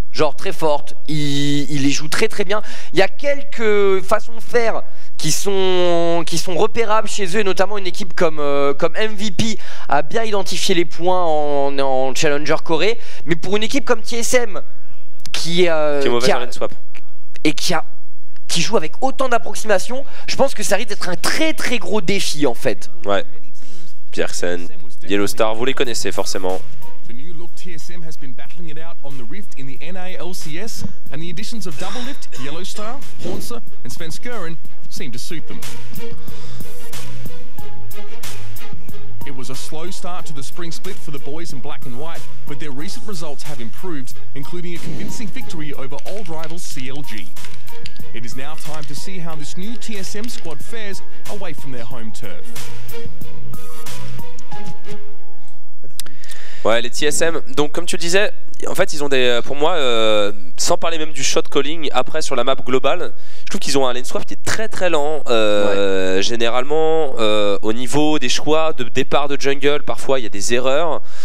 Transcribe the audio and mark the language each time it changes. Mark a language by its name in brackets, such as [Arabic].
[French] Genre très forte, il les joue très très bien. Il y a quelques façons de faire qui sont repérables chez eux, et notamment une équipe comme MVP a bien identifié les points en Challenger Corée. Mais pour une équipe comme TSM, qui joue avec autant d'approximations, je pense que ça risque d'être un très très gros défi en fait. Ouais. Pierre-Sen, Yellowstar, vous les connaissez forcément. [English] The new look TSM has been battling it out on the Rift in the NALCS, and the additions of Doublelift, Yellowstar, Haunser, and Svenskeren seem to suit them. It was a slow start to the spring split for the boys in black and white, but their recent results have improved, including a convincing victory over old rivals CLG. It is now time to see how this new TSM squad fares away from their home turf. [French] Ouais, les TSM, donc comme tu le disais, en fait ils ont des, pour moi, sans parler même du shot calling après sur la map globale, je trouve qu'ils ont un lane swap qui est très très lent, généralement au niveau des choix de départ de jungle, parfois il y a des erreurs.